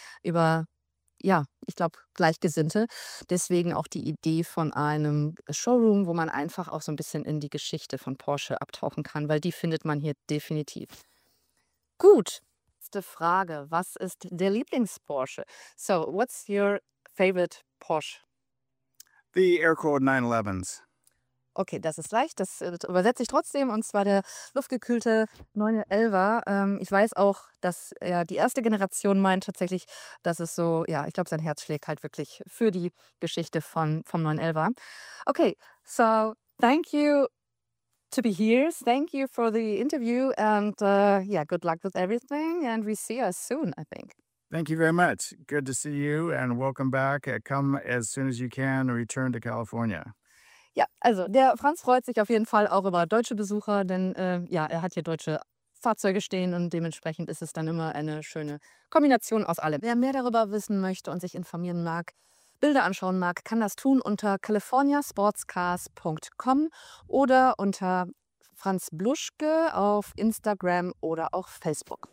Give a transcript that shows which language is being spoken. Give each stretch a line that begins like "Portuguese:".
German: Über, ja, ich glaube, Gleichgesinnte. Deswegen auch die Idee von einem Showroom, wo man einfach auch so ein bisschen in die Geschichte von Porsche abtauchen kann, weil die findet man hier definitiv. Gut, letzte Frage. Was ist der Lieblings-Porsche?
English: So, what's your favorite Porsche? The air-cooled 911s.
German: Okay, das ist leicht. Das übersetze ich trotzdem. Und zwar der luftgekühlte 911er. Ich weiß auch, dass ja, die erste Generation meint tatsächlich, dass es so, ja, ich glaube, sein Herz schlägt halt wirklich für die Geschichte vom 911er.
English: Okay, so thank you to be here. Thank you for the interview. And yeah, good luck with everything. And we see us soon, I think. Thank you very much. Good to see you and welcome back. Come as soon as you can and return to California.
German: Ja, also der Franz freut sich auf jeden Fall auch über deutsche Besucher, denn ja, er hat hier deutsche Fahrzeuge stehen und dementsprechend ist es dann immer eine schöne Kombination aus allem. Wer mehr darüber wissen möchte und sich informieren mag, Bilder anschauen mag, kann das tun unter californiasportscars.com oder unter Franz Bluschke auf Instagram oder auch Facebook.